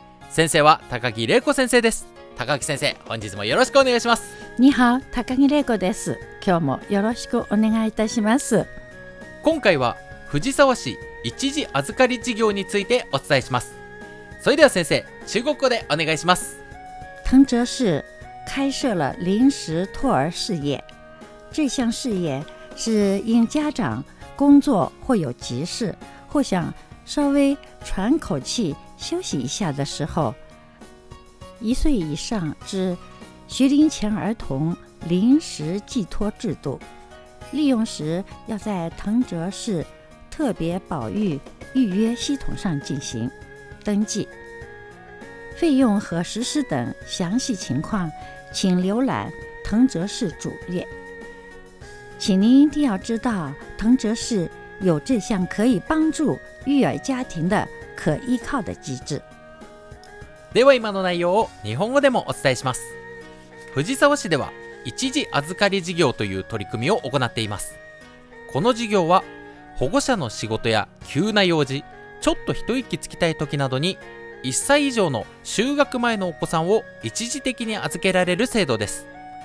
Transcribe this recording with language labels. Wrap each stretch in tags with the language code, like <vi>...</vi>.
<ja>先生は高木玲子先生です。高木先生、本日もよろしくお願いします。ニハオ、高木玲子です。今日もよろしくお願いいたします。今回は藤沢市一時預かり事業についてお伝えします。それでは先生、中国語でお願いします。</ja> <zh>藤沢市開設了临时托儿事业，这项事业是因家长工作或有急事，或想稍微喘口气休息一下的时候，一岁以上至学龄前儿童临时寄托制度，利用时要在藤泽市特别保育预约系统上进行登记，费用和实施等详细情况请浏览藤泽市主页。请您一定要知道藤泽市有这项可以帮助育儿家庭的可依靠的机制。</zh> <ja>では今の内容を日本語でもお伝えします。藤沢市では一時預かり事業という取り組みを行っています。この事業は保護者の仕事や急な用事、ちょっと一息つきたい時などに1歳以上の就学前のお子さんを一時的に預けられる制度です。</ja>